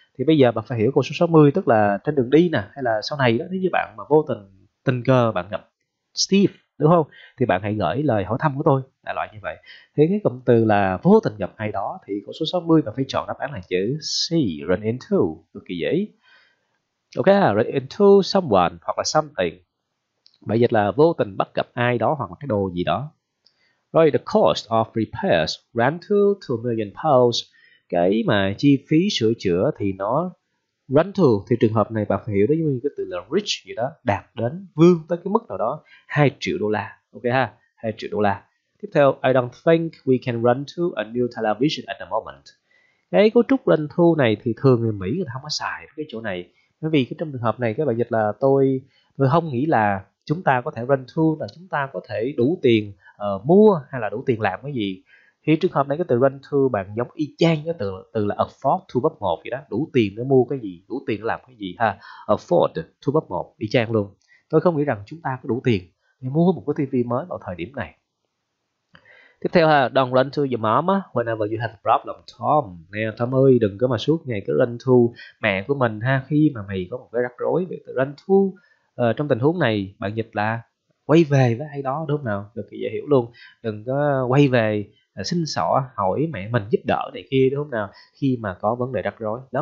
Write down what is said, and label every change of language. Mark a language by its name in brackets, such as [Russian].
[Vietnamese] Thì bây giờ bạn phải hiểu câu số 60, tức là trên đường đi nè, hay là sau này đó, nếu như bạn mà vô tình cờ bạn gặp Steve đúng không, thì bạn hãy gửi lời hỏi thăm của tôi, đại loại như vậy. Thế cái cụm từ là vô tình gặp ai đó, thì câu số 60 bạn phải chọn đáp án là chữ C, run into, cực kỳ dễ. Ok, run into someone hoặc là something, bây giờ là vô tình bắt gặp ai đó hoặc là cái đồ gì đó. Rồi, [English] the cost of repairs ran to 2 million pounds. [Vietnamese] Cái mà chi phí sửa chữa thì nó run to, thì trường hợp này bạn phải hiểu đấy, như cái từ là rich gì đó, đạt đến, vươn tới cái mức nào đó, 2 triệu đô la. Ok ha, 2 triệu đô la. Tiếp theo, [English] I don't think we can run to a new television at the moment. [Vietnamese] Cái cấu trúc run to này thì thường người Mỹ người ta không có xài cái chỗ này. Bởi vì cái trong trường hợp này các bạn dịch là tôi không nghĩ là chúng ta có thể run to, là chúng ta có thể đủ tiền mua hay là đủ tiền làm cái gì. Thì trường hợp này cái từ run to bạn giống y chang cái từ từ là afford to bấp một vậy đó, đủ tiền để mua cái gì, đủ tiền để làm cái gì ha, afford to bấp một y chang luôn. Tôi không nghĩ rằng chúng ta có đủ tiền để mua một cái tivi mới vào thời điểm này. Tiếp theo ha, [English] don't run to your mom whenever you have a problem Tom. [Vietnamese] Nè Tom ơi, đừng có mà suốt ngày cứ run to mẹ của mình ha, khi mà mày có một cái rắc rối. Về từ run to trong tình huống này bạn dịch là quay về với ai đó đúng không nào, được thì dễ hiểu luôn. Đừng có quay về xin xỏ hỏi mẹ mình giúp đỡ này kia đúng không nào, khi mà có vấn đề rắc rối đó.